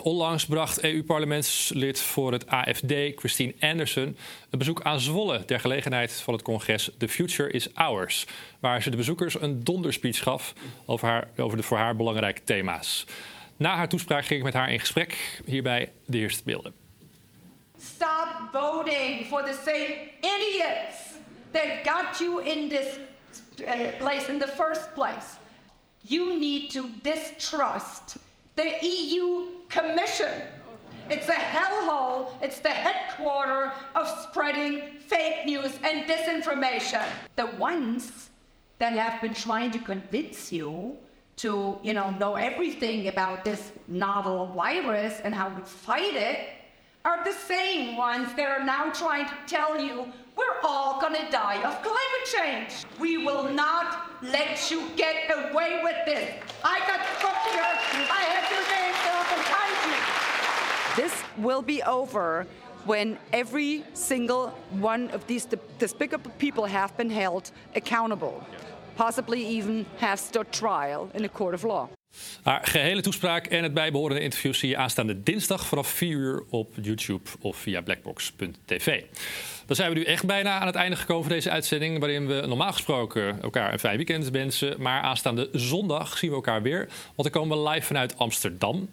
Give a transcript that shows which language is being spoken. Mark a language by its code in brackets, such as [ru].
[nl] Onlangs bracht EU-parlementslid voor het AFD, Christine Anderson, een bezoek aan Zwolle ter gelegenheid van het congres The Future is Ours, waar ze de bezoekers een donderspeech gaf over de voor haar belangrijke thema's. Na haar toespraak ging ik met haar in gesprek. Hierbij de eerste beelden. [en] Stop voting for the same idiots that got you in this place in the first place. You need to distrust the EU Commission. It's a hellhole. It's the headquarter of spreading fake news and disinformation. The ones that have been trying to convince you to, you know everything about this novel virus and how we fight it are the same ones that are now trying to tell you we're all gonna die of climate change. We will not let you get away with this. I got fucked here. I have your name still behind me. This will be over when every single one of these despicable people have been held accountable. Possibly even have stood trial in a court of law. [nl] Haar gehele toespraak en het bijbehorende interview zie je aanstaande dinsdag vanaf 4 uur op YouTube of via blackbox.tv. Dan zijn we nu echt bijna aan het einde gekomen van deze uitzending, waarin we normaal gesproken elkaar een fijn weekend wensen. Maar aanstaande zondag zien we elkaar weer, want dan komen we live vanuit Amsterdam.